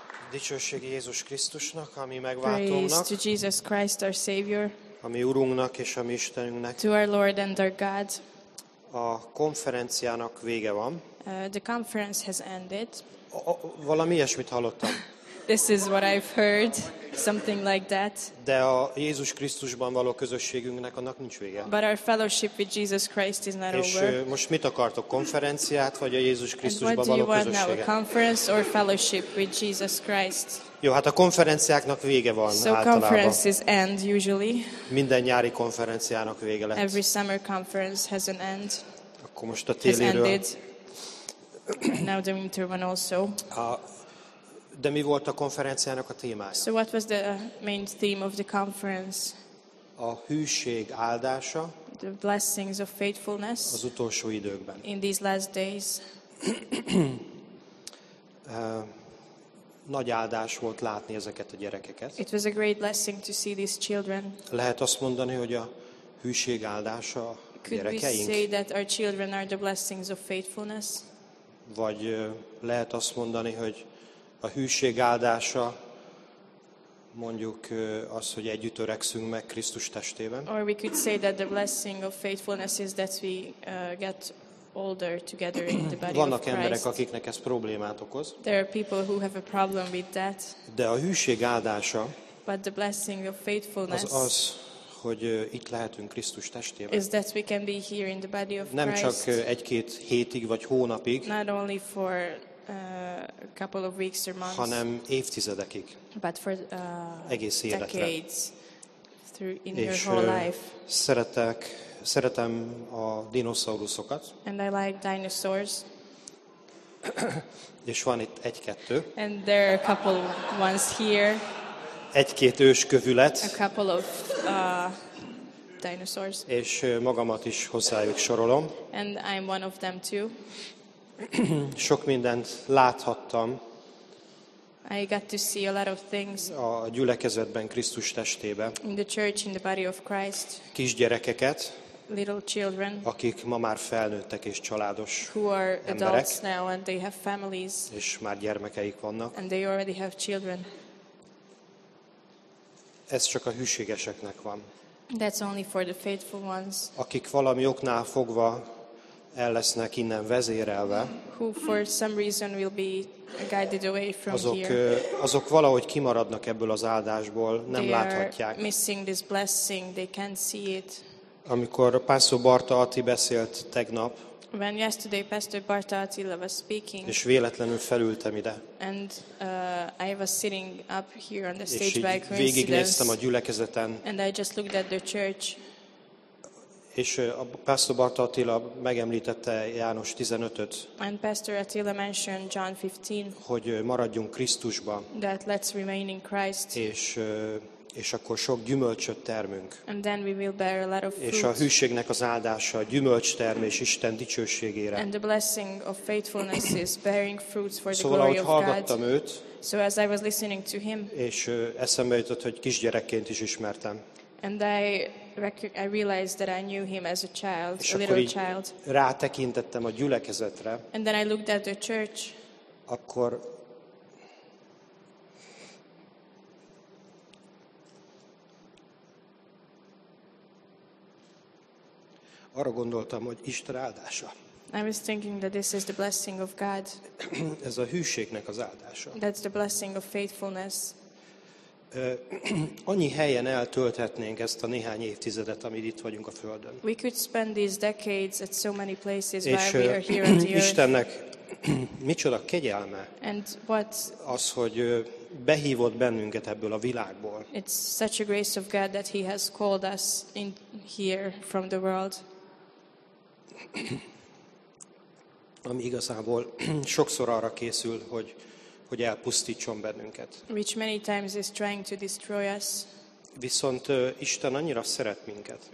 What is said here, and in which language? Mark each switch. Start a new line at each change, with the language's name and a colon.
Hungarian: Dicsőség Jézus Krisztusnak, ami megváltónak.
English: Praise to Jesus Christ, our Savior.
Hungarian: A mi Urunknak és a mi Istenünknek.
English: To our Lord and our God.
Hungarian: A konferenciának vége van.
English: The conference has ended.
Hungarian: Valami ilyesmit hallottam.
English: This is what I've heard, something like that.
Hungarian: De a Jézus Krisztusban való közösségünknek annak nincs vége.
English: But our fellowship with Jesus Christ is not
Hungarian: és
English: over.
Hungarian: És most mit akartok, konferenciát vagy a Jézus Krisztusban való közösséget?
English: What do you want now, a conference or fellowship with Jesus Christ?
Hungarian: Jó, hát a konferenciáknak vége van
English: so
Hungarian: általában.
English: So conferences end usually.
Hungarian: Minden nyári konferenciának vége lett.
English: Every summer conference has an end.
Hungarian: Akkor most a téliről.
English: Now the winter one also.
Hungarian: De mi volt a konferenciának a témája?
English: So what was the main theme of the conference?
Hungarian: A hűség áldása.
English: The blessings of faithfulness.
Hungarian: Az utolsó időkben.
English: In these last days.
Hungarian: Nagy áldás volt látni ezeket a gyerekeket.
English: It was a great blessing to see these children.
Hungarian: Lehet azt mondani, hogy a hűség áldása a gyerekeink?
English: Could we say that our children are the blessings of faithfulness?
Hungarian: Vagy lehet azt mondani, hogy a hűség áldása, mondjuk az, hogy együtt öregszünk meg Krisztus testében.
English: Or we could say that the blessing of faithfulness is that we get older together in the body of Christ.
Hungarian: Vannak emberek, akiknek ez problémát okoz.
English: There are people who have a problem with that.
Hungarian: De a hűség áldása.
English: But the blessing of faithfulness.
Hungarian: Az, hogy itt lehetünk Krisztus testében.
English: Is that we can be here in the body of Christ.
Hungarian: Nem csak egy-két hétig vagy hónapig.
English: Not only for a couple of weeks or months,
Hungarian: hanem évtizedekig.
English: But for
Hungarian: egész életre.
English: Decades, through in
Hungarian: és
English: your whole life.
Hungarian: Szeretem a dinoszauruszokat.
English: And I like dinosaurs.
Hungarian: És van itt egy-kettő.
English: And there are a couple ones here.
Hungarian: Egy-két őskövület.
English: A couple of dinosaurs.
Hungarian: És magamat is hozzájuk sorolom.
English: And I'm one of them too.
Hungarian: Sok mindent láthattam.
English: I got to see a lot of things.
Hungarian: A gyülekezetben Krisztus testébe.
English: In the church, in the body of Christ.
Hungarian: Kisgyerekeket.
English: Little children.
Hungarian: Akik ma már felnőttek és családos emberek.
English: Who are adults now and they have families.
Hungarian: És már gyermekeik vannak.
English: And they already have children.
Hungarian: Ez csak a hűségeseknek van.
English: That's only for the faithful ones.
Hungarian: Akik valami oknál fogva el lesznek innen vezérelve.
English: Who for some reason will be guided away from
Hungarian: azok,
English: here.
Hungarian: Azok valahogy kimaradnak ebből az áldásból, nem
English: they
Hungarian: láthatják.
English: Are missing this blessing, they can't see it.
Hungarian: Amikor Pastor Barta Ati beszélt tegnap,
English: when yesterday Pastor Barta Attila was speaking,
Hungarian: és véletlenül felültem ide,
English: and I was sitting up here on the stage
Hungarian: és
English: by coincidence,
Hungarian: végignéztem a gyülekezeten,
English: and I just looked at the church,
Hungarian: és a Pastor Barta Attila megemlítette János 15-öt,
English: and Pastor Attila mentioned John 15,
Hungarian: hogy maradjunk Krisztusba,
English: that let's remain in Christ,
Hungarian: és akkor sok gyümölcsöt termünk.
English: And then we will bear a lot of fruit.
Hungarian: És a hűségnek az áldása, a gyümölcstermés Isten dicsőségére.
English: And the blessing of faithfulness is bearing fruits for the glory of God.
Hungarian: Szóval hallgattam őt.
English: So as I was listening to him.
Hungarian: És eszembe jutott, hogy kisgyerekként is ismertem.
English: And I realized that I knew him as a child, a little child.
Hungarian: És akkor rátekintettem a gyülekezetre.
English: And then I looked at the church.
Hungarian: Akkor arra gondoltam, hogy Isten áldása.
English: I was thinking that this is the blessing of God.
Hungarian: Ez a hűségnek az áldása.
English: That's the blessing of faithfulness.
Hungarian: Annyi helyen eltölthetnénk ezt a néhány évtizedet, amit itt vagyunk a Földön.
English: We could spend these decades at so many places while we are here on the earth.
Hungarian: És Istennek micsoda kegyelme.
English: And what?
Hungarian: Az, hogy behívott bennünket ebből a világból.
English: It's such a grace of God that he has called us in here from the world.
Hungarian: Ami igazából sokszor arra készül, hogy elpusztítson bennünket.
English: Which many times is trying to destroy us.
Hungarian: Viszont Isten annyira szeret minket.